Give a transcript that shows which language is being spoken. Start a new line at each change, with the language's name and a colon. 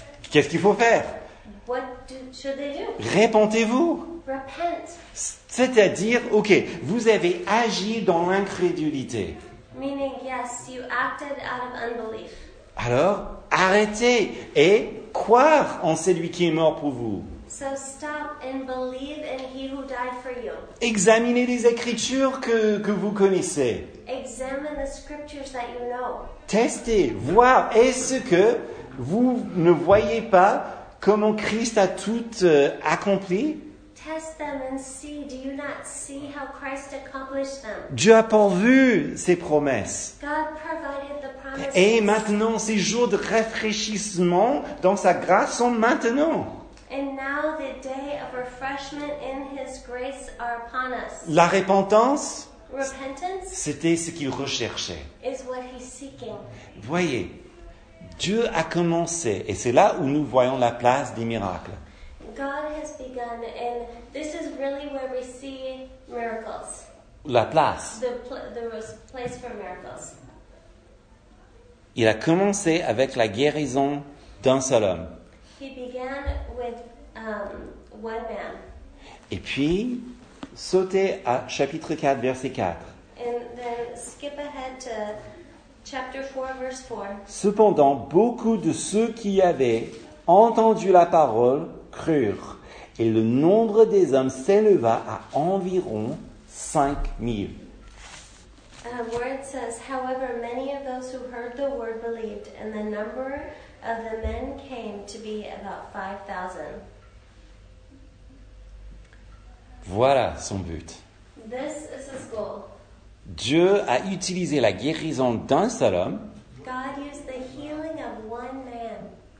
French: Qu'est-ce qu'il faut faire ? Répentez-vous. C'est-à-dire, ok, vous avez agi dans l'incrédulité.
English: Meaning, yes, you acted out of unbelief.
French: Alors, arrêtez et croire en celui qui est mort pour vous.
English: So stop and believe in he who died for you.
French: Examinez les Écritures que vous connaissez.
English: Examine the scriptures that you know.
French: Testez, voir, est-ce que vous ne voyez pas comment Christ a tout accompli?
English: Test them and see. Do you not see how Christ accomplished them?
French: Dieu a pourvu ses promesses.
English: God provided the promises.
French: Et maintenant, ces jours de rafraîchissement dans sa grâce sont maintenant.
English: And now the day of refreshment in his grace are upon us.
French: La repentance,
English: repentance,
French: c'était ce qu'il recherchait.
English: Is what he's seeking.
French: Voyez, Dieu a commencé, et c'est là où nous voyons la place des miracles.
English: God has begun, and this is really where we see miracles.
French: La place.
English: The place for miracles.
French: Il a commencé avec la guérison d'un seul homme.
English: He began with one man.
French: Et puis, sautez à chapitre 4, verset 4.
English: And then skip ahead to chapter 4, verse 4.
French: Cependant, beaucoup de ceux qui avaient entendu la parole crurent, et le nombre des hommes s'éleva à environ 5 000.
English: Where it says, however, many of those who heard the word believed, and the number of the men came to be about 5,000.
French: Voilà son but.
English: This is his goal.
French: Dieu a utilisé la guérison d'un seul homme.
English: God used the healing of one man.